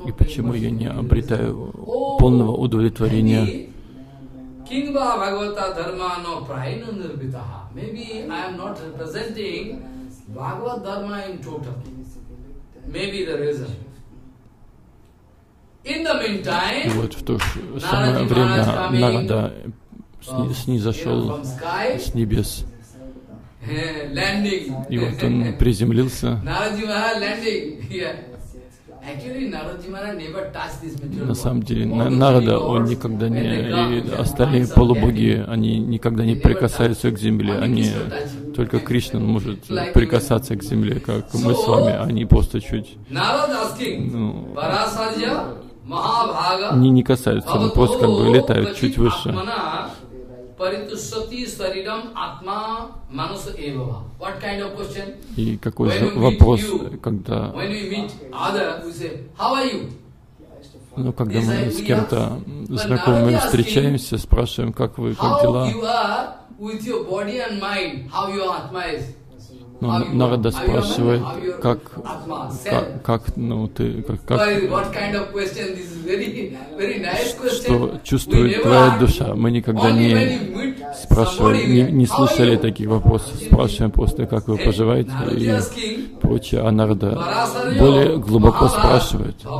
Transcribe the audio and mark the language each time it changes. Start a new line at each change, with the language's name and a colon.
Russian: И почему я не обретаю полного удовлетворения?
Sanskrit: Kingva Bhagavata Dharma no Praina Nirvitaha.
English: Maybe I am not representing Bhagavata Dharma in total. Maybe the reason. In the meantime,
Russian: и вот в то же самое время Нарада снизошел с небес.
English: Landing.
Russian: И вот он приземлился.
English: Naraji Maharaj landing. Actually,
Russian: на самом деле, Нарада, он никогда не, и остальные полубоги, они никогда не прикасаются к земле, они, только Кришна может прикасаться к земле, как мы с вами, они просто чуть, они не касаются, они просто как бы летают чуть выше.
English: What kind of question?
Russian: И какой же вопрос, когда?
English: When we meet other, we say, how are you?
Russian: Ну, когда мы с кем-то знакомыми встречаемся, спрашиваем, как вы, как дела?
English: How you are with your body and mind? How your atma is?
Russian: Ну, Нарада спрашивает, что чувствует твоя душа. Мы никогда не слышали таких вопросов. Спрашиваем просто, как вы поживаете и прочее. А Нарада более глубоко спрашивает.